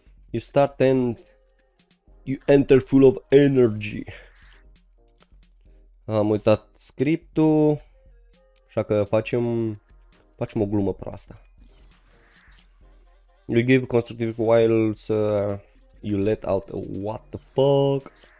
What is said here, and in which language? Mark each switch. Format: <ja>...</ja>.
<en>You start and you enter full of energy.</en> <ro>Am uitat scriptul. Așa că facem o glumă proastă.</ro> <en>You give constructive whiles you let out a what the fuck.</en>